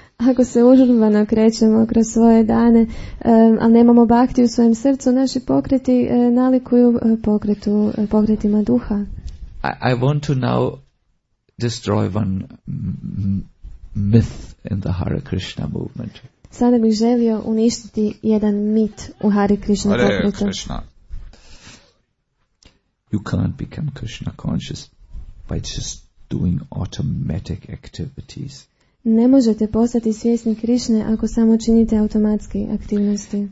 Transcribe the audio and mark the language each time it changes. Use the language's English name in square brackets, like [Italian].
[Croatian] Ako se užurbano krećemo kroz svoje dane, a nemamo bhakti u svojem srcu, naši pokreti nalikuju pokretima duha. [English] I want to now destroy one myth in the Hare Krishna movement. [Croatian] Sada bih želio uništiti jedan mit u Hare Krishna pokretu. Hare Krishna. [English] You can't become Krishna conscious by just doing automatic activities. [Croatian] Ne možete postati svjesni Krišne ako samo činite automatske aktivnosti.